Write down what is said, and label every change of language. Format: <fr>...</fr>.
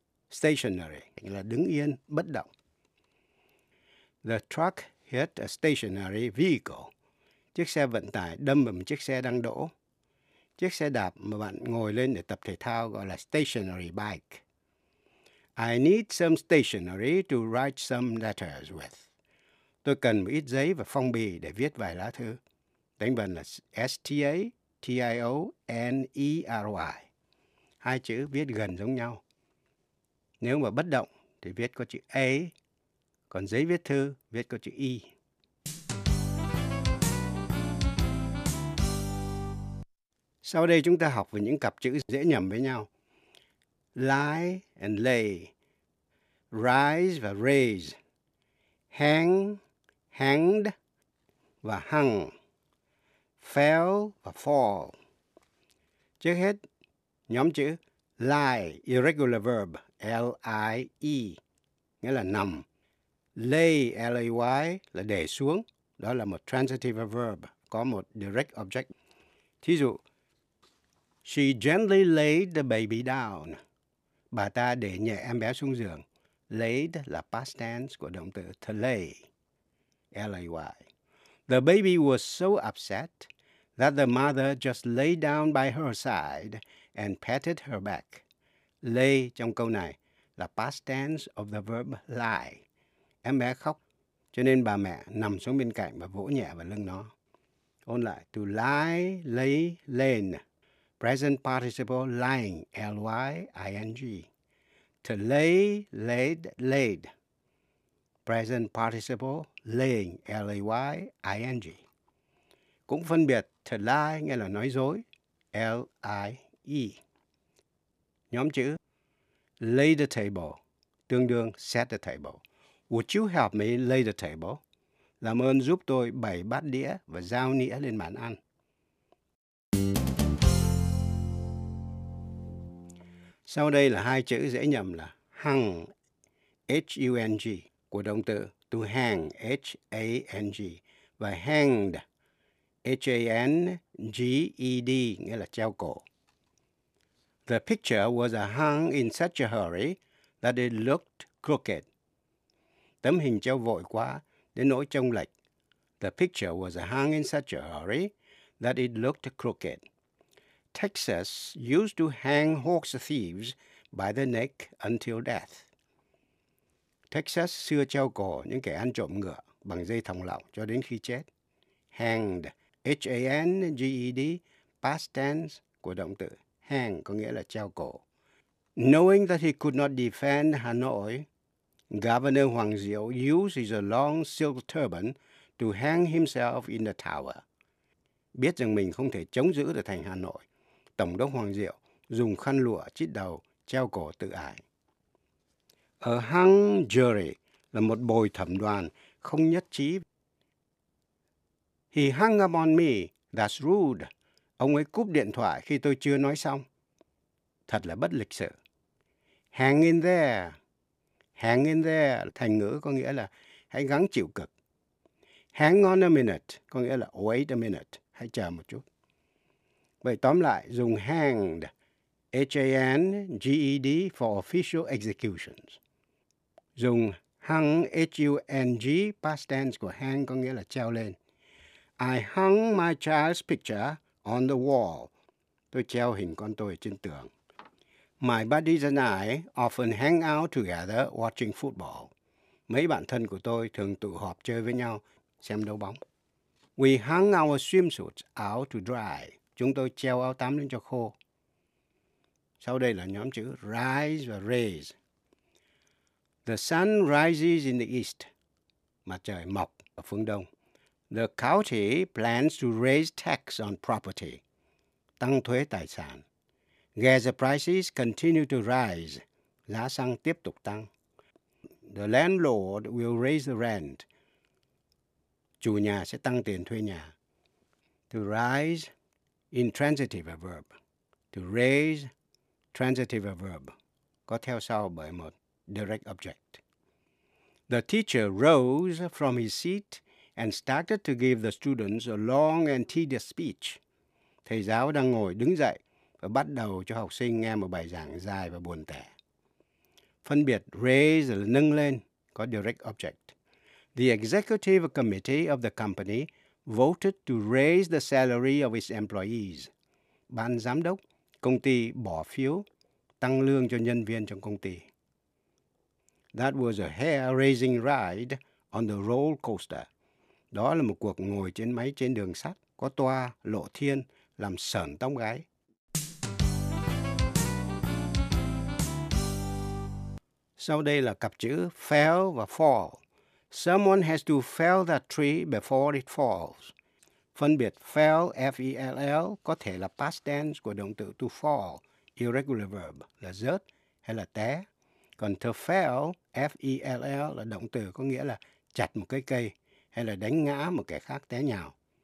<en>Stationary,</en> <vi>nghĩa là đứng yên, bất động.</vi> <en>The truck hit a stationary vehicle.</en> <vi>Chiếc xe vận tải đâm vào một chiếc xe đang đỗ. Chiếc xe đạp mà bạn ngồi lên để tập thể thao gọi là stationary bike.</vi> <en>I need some stationery to write some letters with.</en> <vi>Tôi cần một ít giấy và phong bì để viết vài lá thư. Đánh vần là S-T-A-T-I-O-N-E-R-Y. Hai chữ viết gần giống nhau. Nếu mà bất động thì viết có chữ A, còn giấy viết thư viết có chữ E. Sau đây chúng ta học về những cặp chữ dễ nhầm với nhau.</vi> <en>Lie and lay. Rise và raise. Hang, hanged và hung. Fell và fall.</en> <vi>Trước hết, nhóm chữ lie, irregular verb, L-I-E, nghĩa là nằm. Lay, L-A-Y, là để xuống. Đó là một transitive verb, có một direct object. Thí dụ,</vi> <en>she gently laid the baby down.</en> <vi>Bà ta để nhẹ em bé xuống giường. Laid là past tense của động từ to lay.</vi> <en>L-A-Y. The baby was so upset that the mother just lay down by her side and patted her back. Lay</en> <vi>trong câu này là</vi> <en>past tense of the verb lie.</en> <vi>Em bé khóc, cho nên bà mẹ nằm xuống bên cạnh và vỗ nhẹ vào lưng nó. Ôn lại,</vi> <en>to lie, lay, lain. Present participle lying, L-Y-I-N-G. To lay, laid, laid. Present participle laying, L-A-Y-I-N-G.</en> <vi>Cũng phân biệt to lie nghĩa là nói dối, L-I-E.</vi> <en>Nhóm chữ lay the table,</en> <vi>tương đương</vi> <en>set the table. Would you help me lay the table?</en> <vi>Làm ơn giúp tôi bày bát đĩa và dao nĩa lên bàn ăn. Sau đây là hai chữ dễ nhầm là hung, H-U-N-G, của động từ to hang, H-A-N-G, và hanged, H-A-N-G-E-D, nghĩa là treo cổ.</vi> <en>The picture was hung in such a hurry that it looked crooked.</en> <vi>Tấm hình treo vội quá đến nỗi trông lệch.</vi> <en>The picture was hung in such a hurry that it looked crooked. Texas used to hang horse thieves by the neck until death.</en> <vi>Texas xưa treo cổ những kẻ ăn trộm ngựa bằng dây thòng lọng cho đến khi chết. Hanged, H-A-N-G-E-D, past tense của động từ hang có nghĩa là treo cổ.</vi> <en>Knowing that he could not defend Hanoi, Governor Hoàng Diệu used his long silk turban to hang himself in the tower.</en> <vi>Biết rằng mình không thể chống giữ được thành Hà Nội, Tổng đốc Hoàng Diệu dùng khăn lụa chít đầu treo cổ tự ải. A hung jury là một bồi thẩm đoàn không nhất trí.</vi> <en>He hung up on me, that's rude.</en> <vi>Ông ấy cúp điện thoại khi tôi chưa nói xong. Thật là bất lịch sự.</vi> <en>Hang in there.</en> <vi>Hang in there, thành ngữ có nghĩa là hãy gắng chịu cực.</vi> <en>Hang on a minute,</en> <vi>có nghĩa là</vi> <en>wait a minute,</en> <vi>hãy chờ một chút. Vậy tóm lại, dùng hanged, H-A-N-G-E-D,</vi> <en>for official executions.</en> <vi>Dùng hung, H-U-N-G, past tense của hang có nghĩa là treo lên.</vi> <en>I hung my child's picture on the wall.</en> <vi>Tôi treo hình con tôi trên tường.</vi> <en>My buddies and I often hang out together watching football.</en> <vi>Mấy bạn thân của tôi thường tụ họp chơi với nhau, xem đấu bóng.</vi> <en>We hung our swimsuits out to dry.</en> <vi>Chúng tôi treo áo tắm lên cho khô. Sau đây là nhóm chữ rise và raise.</vi> <en>The sun rises in the east.</en> <vi>Mặt trời mọc ở phương đông.</vi> <en>The county plans to raise tax on property.</en> <vi>Tăng thuế tài sản.</vi> <en>Gas prices continue to rise.</en> <vi>Giá xăng tiếp tục tăng.</vi> <en>The landlord will raise the rent.</en> <vi>Chủ nhà sẽ tăng tiền thuê nhà.</vi> <en>To rise, intransitive verb, to raise transitive verb</en> <vi>có theo sau bởi một</vi> <en>direct object. The teacher rose from his seat and started to give the students a long and tedious speech.</en> <vi>Thầy giáo đang ngồi đứng dậy và bắt đầu cho học sinh nghe một bài giảng dài và buồn tẻ. Phân biệt raise là nâng lên có direct object.</vi> <en>The executive committee of the company voted to raise the salary of its employees.</en> <vi>Ban giám đốc công ty bỏ phiếu tăng lương cho nhân viên trong công ty.</vi> <en>That was a hair-raising ride on the roller coaster.</en> <vi>Đó là một cuộc ngồi trên máy trên đường sắt có toa lộ thiên làm sởn tóc gáy. Sau đây là cặp chữ fell và fall.</vi> <en>Someone has to fell that tree before it falls.</en> <vi>Phân biệt fell, F-E-L-L, có thể là past tense của động từ to fall, irregular verb, là rớt hay là té. Còn to fell, F-E-L-L, là động từ có nghĩa là chặt một cái cây hay là đánh ngã một kẻ khác té nhào.</vi>